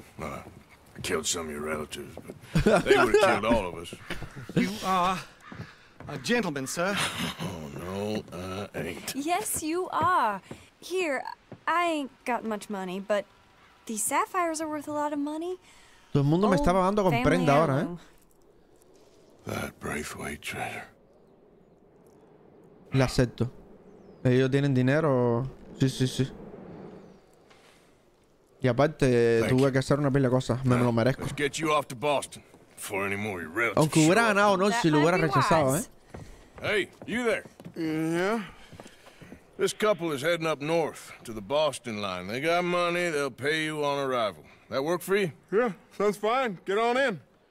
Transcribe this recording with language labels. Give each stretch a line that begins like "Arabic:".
English: Well, I killed some of your relatives, but they would have killed all of us. You are a gentleman, sir. Oh, no, I ain't. Yes, you are. Here, I ain't got much money, but these sapphires are worth a lot of money.
Spanish: Todo el mundo me está pagando con prenda ahora, ¿eh?
English: That Braithwaite treasure.
Spanish: La acepto. ¿Ellos tienen dinero? Sí, sí, sí. Y aparte, tuve que hacer una pila de cosas. Me lo merezco.
English: Let's get you off to Boston before any more your relatives.
Spanish: Aunque hubiera ganado, ¿no? Si lo hubiera rechazado, ¿eh?
English: Hey, you there. Yeah. This couple is heading up north to the Boston line. They got money, they'll pay you on arrival. That work for you? Yeah, sounds fine. Get on in.